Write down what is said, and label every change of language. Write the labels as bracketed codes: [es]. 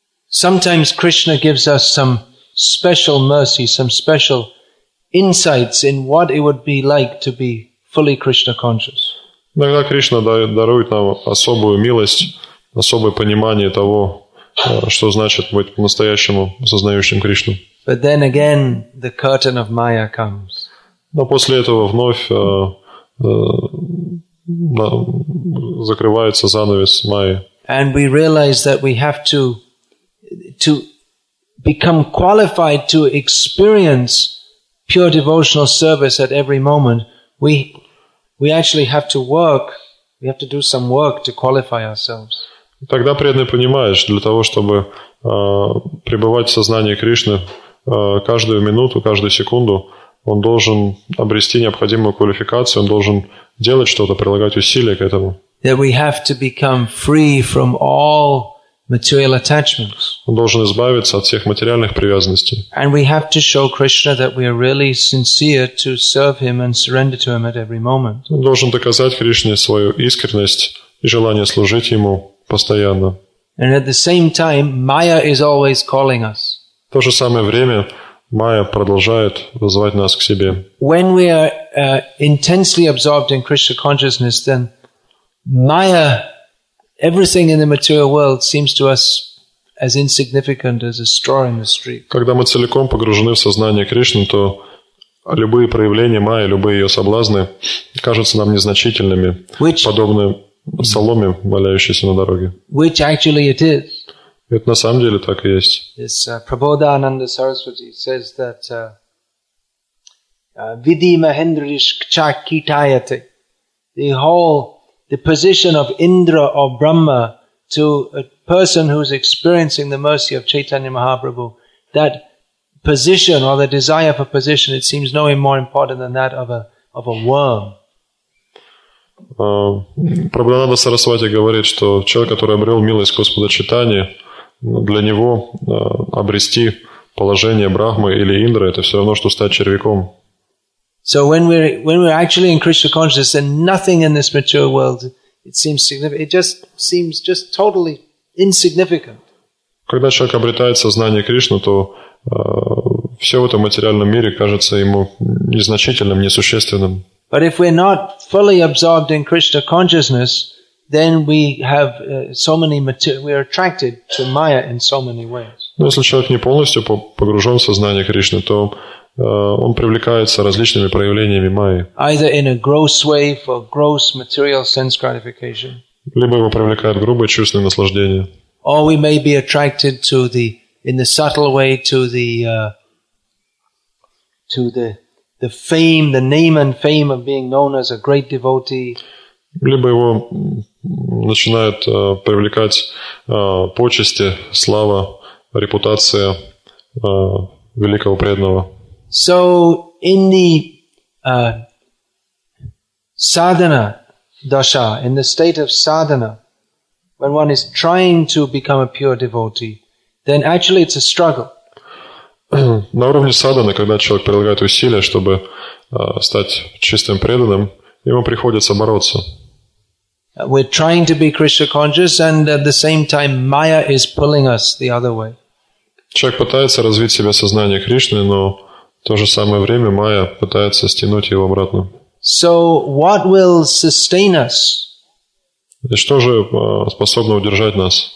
[en] Sometimes Krishna gives us some special mercy, some special insights in what it would be like to be fully Krishna conscious. [ru] Иногда Кришна дарует нам особую милость, особое понимание того, что значит быть по-настоящему сознающим Кришну. [en] But then again, the curtain of Maya comes. [ru] Но после этого вновь закрывается занавес Майи. [en] And we realize that we have to become qualified to experience pure devotional service at every moment, we actually have to work, we have to do some work to qualify ourselves. [ru] Тогда преданный понимает, что для того, чтобы пребывать в сознании Кришны каждую минуту, каждую секунду, он должен обрести необходимую квалификацию, он должен делать что-то, прилагать усилия к этому. [en] That we have to become free from all material attachments. [ru] Он должен избавиться от всех материальных привязанностей. [en] And we have to show Krishna that we are really sincere to serve Him and surrender to Him at every moment. [ru] Он должен доказать Кришне свою искренность и желание служить Ему постоянно. [en] And at the same time, Maya is always calling us. [ru] В то же самое время Майя продолжает вызывать нас к себе. [en] When we are intensely absorbed in Krishna consciousness, then Maya, everything in the material world seems to us as insignificant as a straw in the street. [ru] Когда мы целиком погружены в сознание Кришны, то любые проявления Майи, любые ее соблазны, кажутся нам незначительными, подобны соломе, валяющейся на дороге. [en] Which actually it is. [ru] Это на самом деле так и есть. [en] This Prabodhananda Saraswati says that [sa] vidhi mahendrish kcha kitayate. [en] The position of Indra or Brahma to a person who is experiencing the mercy of Chaitanya Mahaprabhu, that position or the desire for position, it seems no more important than that of a worm. [ru] Prabodhananda Saraswati говорит, что человек, который обрел милость Господа Чайтаньи, для него обрести положение Брахмы или Индры – это все равно, что стать червяком. [en] So when we're actually in Krishna consciousness, then nothing in this material world it seems significant. It just seems just totally insignificant. [ru] Когда человек обретает сознание Кришны, то все в этом материальном мире кажется ему незначительным, несущественным. [en] But if we're not fully absorbed in Krishna consciousness, then we have so many we are attracted to Maya in so many ways. [ru] Но если человек не полностью погружен в сознание Кришны, то он привлекается различными проявлениями Майи. [en] Either in a gross way for gross material sense gratification. [ru] Либо его привлекает грубое чувственное наслаждение. [en] Or we may be attracted to the in the subtle way to the fame, the name and fame of being known as a great devotee. [ru] Либо его начинает привлекать почести, слава, репутация великого преданного. [en] So in the sadhana dasha, in the state of sadhana, when one is trying to become a pure devotee, then actually it's a struggle. [ru] На уровне садхана, когда человек прилагает усилия, чтобы стать чистым преданным, ему приходится бороться. [en] We're trying to be Krishna conscious, and at the same time, Maya is pulling us the other way. [ru] Человек пытается развить в себе сознание Кришны, но в то же самое время Майя пытается стянуть его обратно. [en] So what will sustain us? [ru] И что же способно удержать нас?